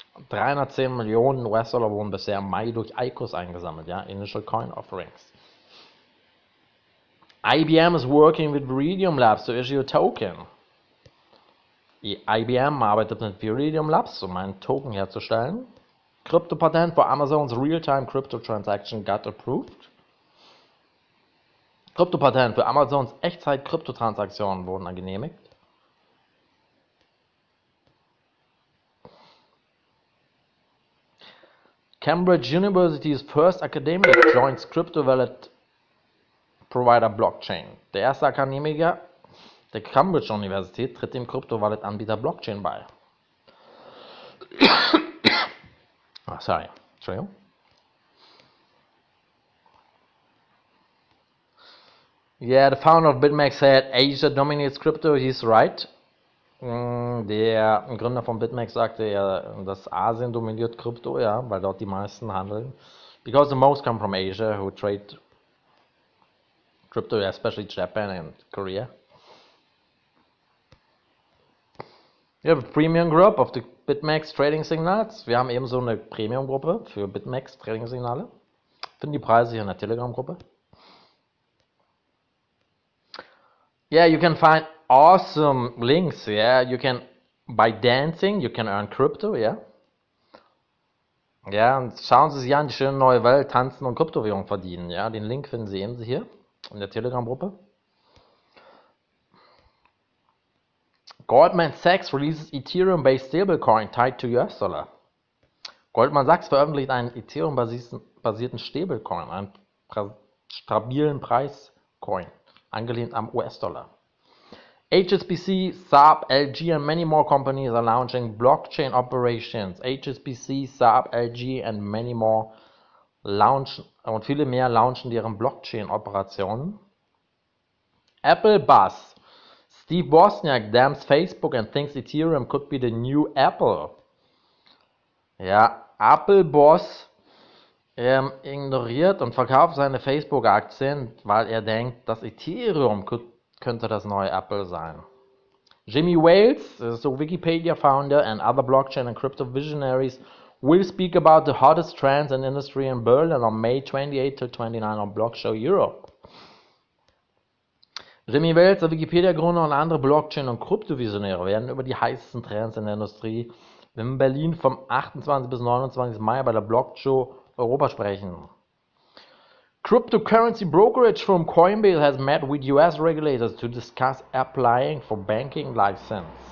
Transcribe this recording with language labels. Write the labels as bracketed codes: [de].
[de] 310 Millionen US Dollar wurden bisher im Mai durch ICOs eingesammelt, ja, Initial Coin Offerings. [en] IBM is working with Viridium Labs to issue a token. [de] IBM arbeitet mit Viridium Labs, um einen Token herzustellen. Krypto-Patent für Amazons [en] Real-Time Crypto Transaction got approved. [de] Krypto-Patent für Amazons Echtzeit-Krypto-Transaktionen wurden genehmigt. [en] Cambridge University's First Academic joins Crypto Wallet Provider Blockchain. [de] Der erste Akademiker der Cambridge Universität tritt dem Kryptowallet-Anbieter Blockchain bei. Ah, sorry, Entschuldigung. [en] Yeah, the founder of BitMEX said, Asia dominates crypto, he's right. [de] Der Gründer von BitMEX sagte ja, dass Asien dominiert Krypto, ja, weil dort die meisten handeln. [en] Because the most come from Asia, who trade crypto, especially Japan and Korea. We have a premium group of the BitMEX Trading Signals. [de] Wir haben ebenso eine Premium-Gruppe für BitMEX Trading Signale. Finden die Preise hier in der Telegram-Gruppe. [en] Yeah, you can find awesome links. Yeah, you can by dancing, you can earn crypto. Yeah. [de] Ja, und schauen Sie sich an, die schöne neue Welt, tanzen und Kryptowährung verdienen. Ja, den Link finden Sie eben hier in der Telegram-Gruppe. [en] Goldman Sachs releases Ethereum-based Stablecoin tied to US-Dollar. [de] Goldman Sachs veröffentlicht einen Ethereum-basierten Stablecoin, einen stabilen Preis-Coin, angelehnt am US-Dollar. [en] HSBC, Saab, LG and many more companies are launching Blockchain Operations. [de] HSBC, Saab, LG [en] and many more [de] launchen, und viele mehr launchen deren Blockchain-Operationen. Apple Buzz. [en] Steve Wozniak damns Facebook and thinks Ethereum could be the new Apple. [de] Ja, Apple Boss ignoriert und verkauft seine Facebook-Aktien, weil er denkt, dass Ethereum könnte das neue Apple sein. [en] Jimmy Wales, so Wikipedia-Founder and other Blockchain and Crypto Visionaries, will speak about the hottest trends in industry in Berlin on May 28 to 29 on Blockshow Europe. [de] Jimmy Wales, der Wikipedia-Gründer und andere Blockchain- und Krypto-Visionäre werden über die heißesten Trends in der Industrie in Berlin vom 28. bis 29. Mai bei der Blockshow Europa sprechen. [en] Cryptocurrency Brokerage Firm Coinbase has met with US regulators to discuss applying for banking license.